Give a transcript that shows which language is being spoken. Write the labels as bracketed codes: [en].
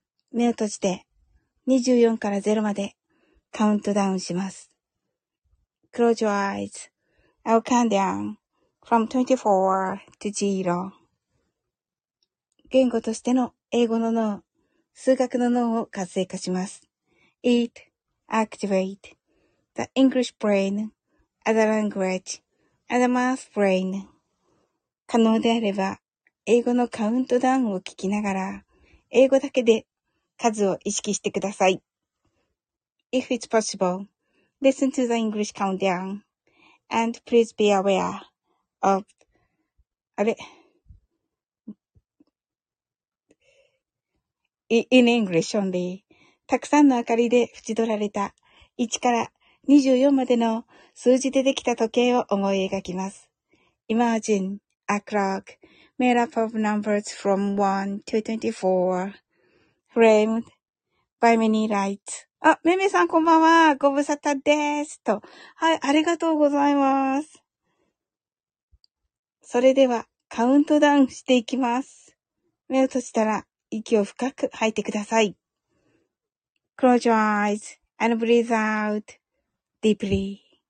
[ja] 目を閉じて24から0までカウントダウンします。 [en] Close your eyes. I'll count down from 24 to 0. [ja] 言語としての英語の脳、数学の脳を活性化します。 [en] It activate the English brain as a language as a math brain. [ja] 可能であれば、英語のカウントダウンを聞きながら、英語だけで数を意識してください。 [en] If it's possible, listen to the English countdown and please be aware of... In English only. [ja] たくさんの明かりで縁取られた1から24までの数字でできた時計を思い描きます。 [en] Imagine a clock made up of numbers from 1 to 24 framed by many lights. [ja] あ、めめさんこんばんは。ご無沙汰です。と。はい、ありがとうございます。それではカウントダウンしていきます。目を閉じたら息を深く吐いてください。 [en] Close your eyes and breathe out deeply.